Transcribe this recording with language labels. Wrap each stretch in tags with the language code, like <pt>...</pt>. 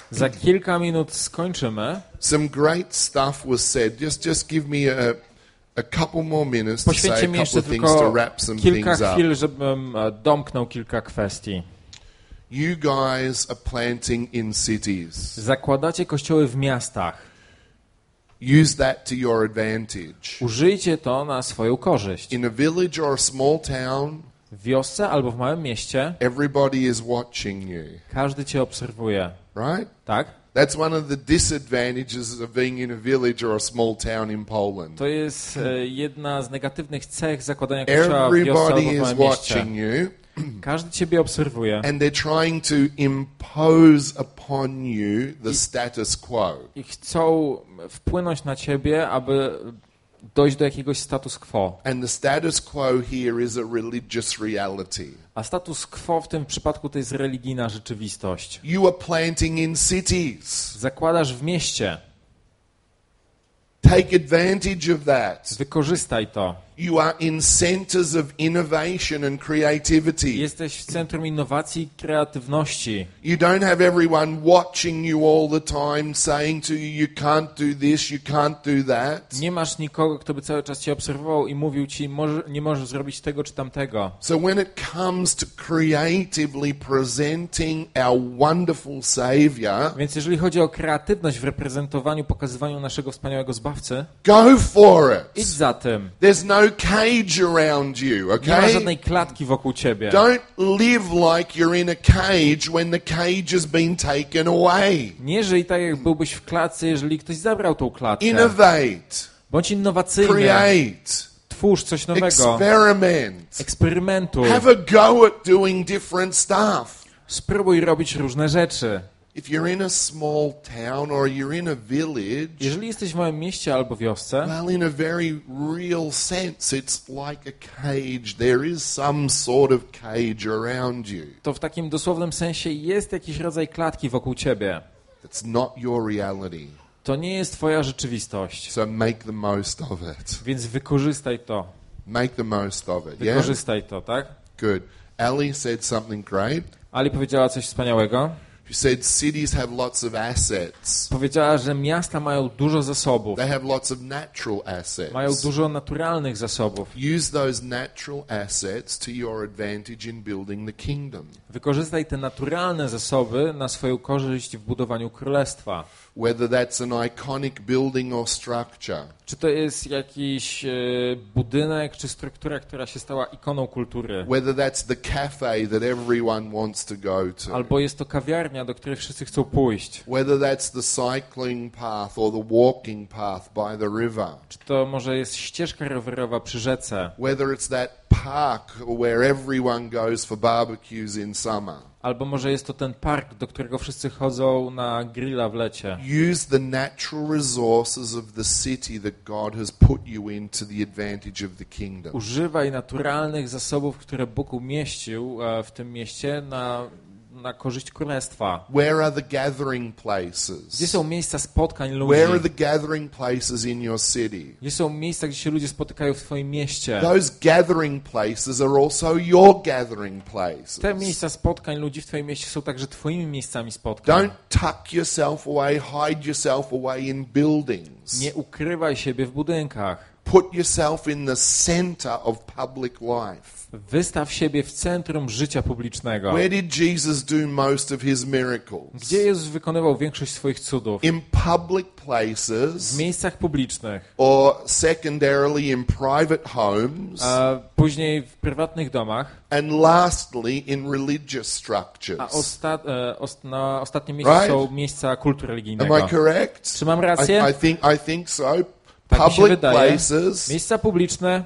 <pl>Za kilka minut skończymy.</pl> <en>Some great stuff was said. Just give me a couple more minutes.</en> <pl>Poświęćcie mi jeszcze tylko kilka chwil, żebym domknął kilka kwestii.</pl> <en>You guys are planting in cities.</en> <pl>Zakładacie kościoły w miastach.</pl> <en>Use that to your advantage.</en> <pl>Użyjcie to na swoją korzyść.</pl> <en>In a village or a small town,</en> <pl>w wiosce albo w małym mieście,</pl> <en>everybody is watching you.</en> <pl>Każdy cię obserwuje.</pl> <en>Right?</en> <pl>Tak.</pl> <en>That's one of the disadvantages of being in a village or a small town in Poland.</en> <pl>To jest jedna z negatywnych cech zakładania kościoła w wiosce albo w małym mieście.</pl> <en>Everybody is watching you.</en> <pl>Każdy ciebie obserwuje.</pl> <en>And they're trying to impose upon you the status quo.</en> <pl>I chcą wpłynąć na ciebie, aby dojść do jakiegoś status quo.</pl> <en>And the status quo here is a religious reality.</en> <pl>A status quo w tym przypadku to jest religijna rzeczywistość.</pl> <en>You are planting in cities.</en> <pl>Zakładasz w mieście.</pl> <en>Take advantage of that.</en> <pl>Wykorzystaj to.</pl> <en>You are in centers of innovation and creativity.</en> <pl>Jesteś w centrum innowacji i kreatywności.</pl> <en>You don't have everyone watching you all the time saying to you, you can't do this, you can't do that.</en> <pl>Nie masz nikogo, kto by cały czas cię obserwował i mówił ci, nie możesz zrobić tego czy tamtego.</pl> <en>So when it comes to creatively presenting our wonderful Savior,</en> <pl>więc jeżeli chodzi o kreatywność w reprezentowaniu, pokazywaniu naszego wspaniałego Zbawcy,</pl> <en>go for it.</en> <pl>Idź za tym.</pl> <en>No cage around you, okay?</en> <pl>Nie ma żadnej klatki wokół ciebie.</pl> <en>Don't live like you're in a cage when the cage has been taken away.</en> <pl>Nie żyj tak, jak byłbyś w klatce, jeżeli ktoś zabrał tą klatkę.</pl> <en>Innovate.</en> <pl>Bądź innowacyjny.</pl> <en>Create.</en> <pl>Twórz coś nowego.</pl> <en>Experiment.</en> <pl>Eksperymentuj.</pl> <en>Have a go at doing different stuff.</en> <pl>Spróbuj robić różne rzeczy.</pl> <en>If you're in a small town or you're in a village,</en> <pl>jeżeli jesteś w małym mieście albo wiosce,</pl> <en>well, in a very real sense, it's like a cage. There is some sort of cage around you.</en> <pl>To w takim dosłownym sensie jest jakiś rodzaj klatki wokół ciebie.</pl> <en>That's not your reality.</en> <pl>To nie jest twoja rzeczywistość.</pl> <en>So make the most of it.</en> <pl>Więc wykorzystaj to.</pl> <en>Make the most of it.</en> <pl>Wykorzystaj to, tak?</pl> <en>Good. Ali said something great.</en> <pl>Ali powiedziała coś wspaniałego.</pl> <en>You said cities have lots of assets.</en> <pl>Powiedziała, że miasta mają dużo zasobów.</pl> <en>They have lots of natural assets.</en> <pl>Mają dużo naturalnych zasobów.</pl> <en>Use those natural assets to your advantage in building the kingdom.</en> <pl>Wykorzystaj te naturalne zasoby na swoją korzyść w budowaniu królestwa.</pl> <en>Whether that's an iconic building or structure.</en> <pl>Czy to jest jakiś budynek czy struktura, która się stała ikoną kultury?</pl> <en>Whether that's the cafe that everyone wants to go to.</en> <pl>Albo jest to kawiarnia, do której wszyscy chcą pójść.</pl> <en>Whether that's the cycling path or the walking path by the river.</en> <pl>Czy to może jest ścieżka rowerowa przy rzece?</pl> <en>Whether it's that park where everyone goes for barbecues in summer.</en> <pl>Albo może jest to ten park, do którego wszyscy chodzą na grilla w lecie.</pl> <en>Use the natural resources of the city that God has put you in to the advantage of the kingdom.</en> <pl>Używaj naturalnych zasobów, które Bóg umieścił w tym mieście na korzyść królestwa.</pl> <en>Where are the gathering places?</en> <pl>Gdzie są miejsca spotkań ludzi?</pl> <en>Where are the gathering places in your city?</en> <pl>Gdzie są miejsca, gdzie się ludzie spotykają w twoim mieście?</pl> <en>Those gathering places are also your gathering places.</en> <pl>Te miejsca spotkań ludzi w twoim mieście są także twoimi miejscami spotkań.</pl> <en>Don't tuck yourself away, hide yourself away in buildings.</en> <pl>Nie ukrywaj siebie w budynkach.</pl> <en>Put yourself in the center of public life.</en> <pl>Wystaw siebie w centrum życia publicznego.</pl> <en>Where did Jesus do most of his miracles?</en> <pl>Gdzie Jezus wykonywał większość swoich cudów?</pl> <en>In public places.</en> <pl>W miejscach publicznych.</pl> <en>Or secondarily in private homes.</en> <pl>A później w prywatnych domach.</pl> <en>And lastly in religious structures.</en> <pl>A ostatnie miejsce</pl> <en>right?</en> <pl>Są miejsca kultu religijnego.</pl> <en>Am I correct?</en> <pl>Czy mam rację?</pl> <en>I think so. Public places,</en> <pl>miejsca publiczne,</pl>